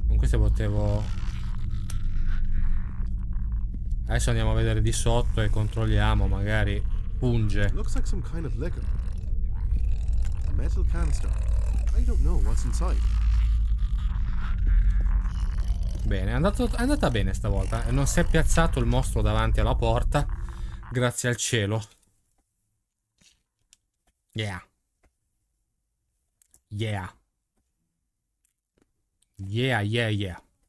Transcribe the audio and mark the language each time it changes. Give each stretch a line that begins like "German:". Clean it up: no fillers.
Italian: se potevo. Adesso andiamo a vedere di sotto e controlliamo, magari punge.
English: Looks like some kind of liquor. A metal canister. I don't know what's inside.
Italian: Bene, è andata bene stavolta. Non si è piazzato il mostro davanti alla porta. Grazie al cielo.
English: Yeah. Yeah. Yeah, yeah, yeah.